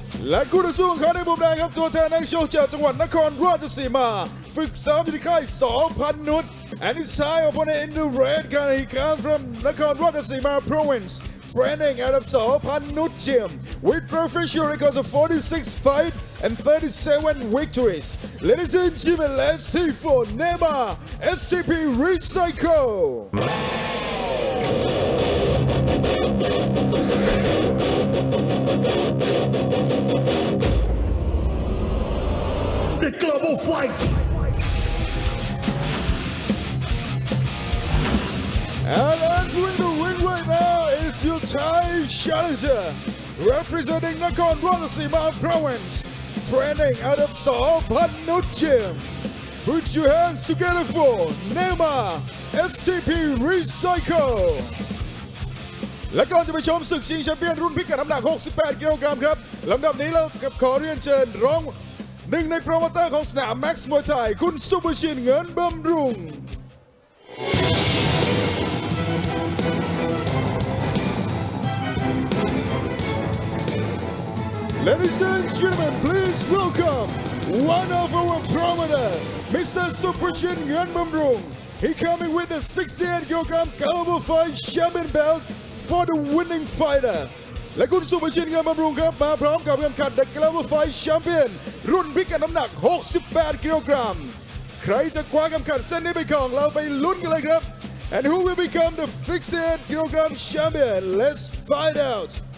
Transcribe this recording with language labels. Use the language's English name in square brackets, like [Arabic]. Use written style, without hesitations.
[Thai] และคู่ต่อสู้ของเขาในมุมแดงครับตัวแทนนักชกจากจังหวัดนครราชสีมาฝึกซ้อมอยู่ที่ค่าย 2,000 นุช [English] And his side opponent in the red corner, he comes from Nakhon Ratchasima province, training out of Saopan Nut Gym, with professional records of 46 fights and 37 victories. Ladies and gentlemen, let's see for NEMA STP Recycle! The Global Fight! And entering the ring right now is your Thai challenger, representing Nakhon Ratchasima province, training out of Saopan Nut Gym. Put your hands together for NEMA STP Recycle. [Thai] และก่อนจะไปชมศึกชิงแชมเปี้ยนรุ่นพิกัดน้ำหนัก68กิโลกรัมครับลำดับนี้เรากับขอเรียนเชิญรองหนึ่งในโปรโมเตอร์ของสนามแม็กซ์มวยไทยคุณสุบชินเงินบำรุง [English] Ladies and gentlemen, please welcome one of our promoters, Mr. Suprachin Ngan Bumrung. He coming with the 68 kilogram Global Fight Champion belt for the winning fighter. [Thai] และคุณสุภชินเงินบำรุงครับมาพร้อมกับเข็มขัด The Global Fight Champion รุ่นบิ๊กกับน้ำหนัก68กิโลกรัมใครจะคว้าเข็มขัดเส้นนี้ไปครองเราไปลุ้นกันเลยครับ [English] And who will become the 68 kilogram champion? Let's find out.